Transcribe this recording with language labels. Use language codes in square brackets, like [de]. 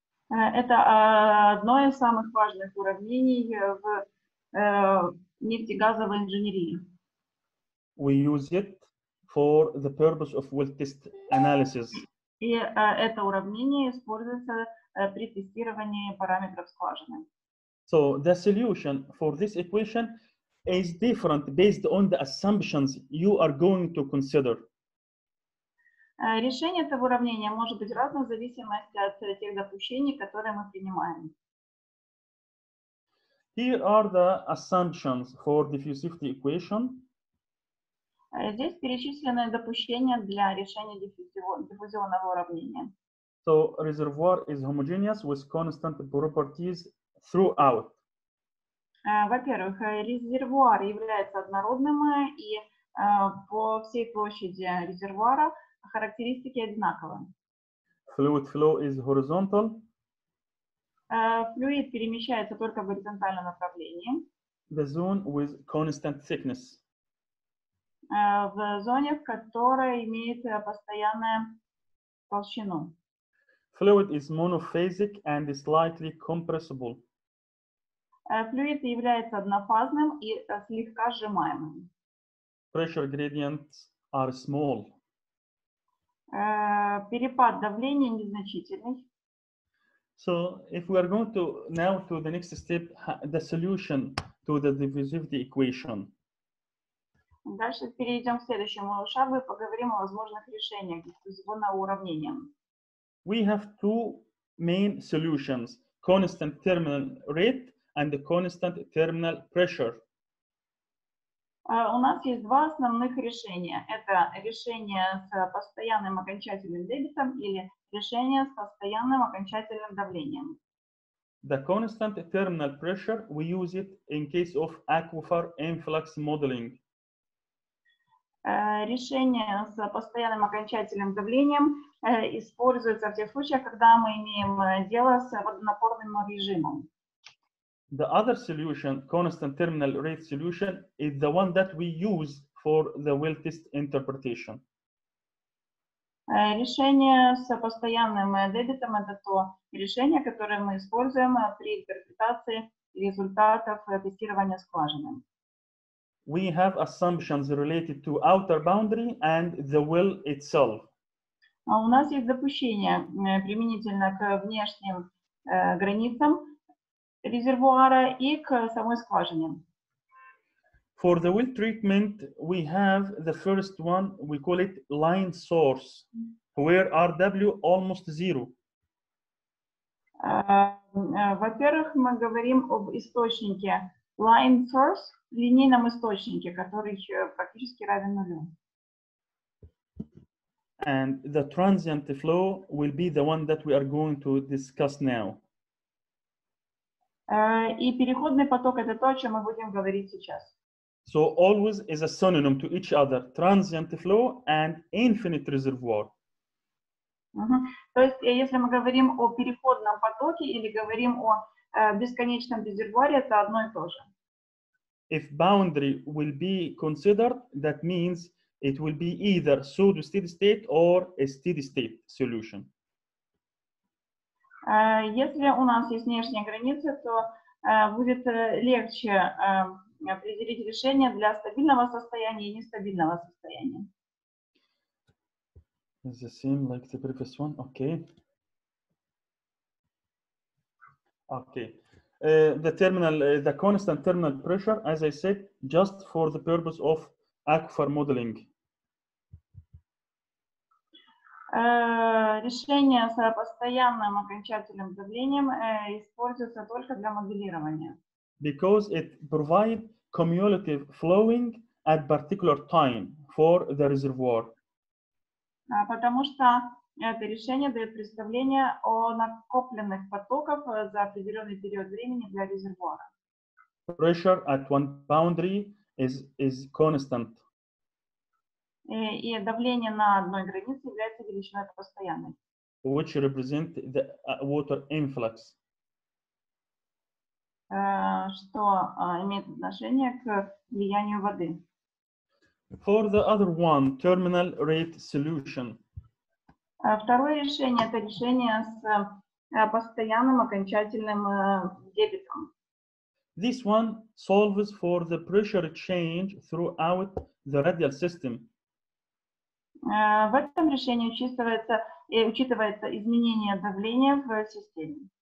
[ru] Это одно из самых важных уравнений в нефтегазовой инженерии. [en] We use it for the purpose of well-test analysis. [ru] И это уравнение используется при тестировании параметров скважины. [en] So the solution for this equation is different based on the assumptions you are going to consider. [ru] Решение этого уравнения может быть разным в зависимости от тех допущений, которые мы принимаем. [en] Here are the assumptions for diffusivity equation. [ru] Здесь перечислены допущения для решения диффузионного уравнения. [en] So reservoir is homogeneous with constant properties throughout. [ru] Во-первых, резервуар является однородным, и по всей площади резервуара характеристики одинаковы. [en] Fluid flow is horizontal. [ru] Флюид перемещается только в горизонтальном направлении. [en] The zone with constant thickness. [ru] В зоне, в которой имеет постоянную толщину. [en] Fluid is monophasic and is slightly compressible. [ru] Флюид является однофазным и слегка сжимаемым. [en] Pressure gradients are small. [ru] Перепад давления незначительный. [en] So, if we are going to now to the next step, the solution to the diffusivity equation. [ru] Дальше перейдем к следующему шагу и поговорим о возможных решениях диффузионного уравнения. [en] We have two main solutions: constant terminal rate and the constant terminal pressure. [ru] У нас есть два основных решения. Это решение с постоянным окончательным дебитом или решение с постоянным окончательным давлением. [en] The constant terminal pressure, we use it in case of aquifer influx modeling. [ru] Решение с постоянным окончательным давлением используется в тех случаях, когда мы имеем дело с водонапорным режимом. [en] The other solution, constant terminal rate solution, is the one that we use for the well test interpretation. [ru] Решение с постоянным дебитом — это то решение, которое мы используем при интерпретации результатов тестирования скважины. [en] We have assumptions related to outer boundary and the well itself. [ru] У нас есть допущения применительно к внешним границам резервуара и к самой скважине. [en] For the well treatment, we have the first one, we call it line source, where RW almost zero. [ru] Во-первых, мы говорим об источнике line source, линейном источнике, который практически равен нулю. [en] And the transient flow will be the one that we are going to discuss now. [ru] И переходный поток — это то, о чем мы будем говорить сейчас. [en] So always is a synonym to each other: transient flow and infinite reservoir. [ru] То есть, если мы говорим о переходном потоке или говорим о бесконечном резервуаре, это одно и то же. [en] If boundary will be considered, that means it will be either pseudo-steady state or a steady state solution. [ru] Если у нас есть внешняя граница, то будет легче определить решение для стабильного состояния и нестабильного состояния. [en] Is the same like the previous one? Okay. Okay. The constant terminal pressure, as I said, just for the purpose of aquifer modeling. [ru] Решение с постоянным окончательным давлением используется только для моделирования. [en] Because it provides cumulative flowing at particular time for the reservoir. [ru] Потому что это решение дает представление о накопленных потоках за определенный период времени для резервуара. [en] Pressure at one boundary is constant. [ru] И давление на одной границе является величиной постоянной. [en] Which represent the water influx. [ru] Что имеет отношение к влиянию воды. [en] For the other one, terminal rate solution. [ru] Второе решение — это решение с постоянным окончательным дебитом. [en] This one solves for the pressure change throughout the radial system. [ru] В этом решении учитывается изменение давления в системе.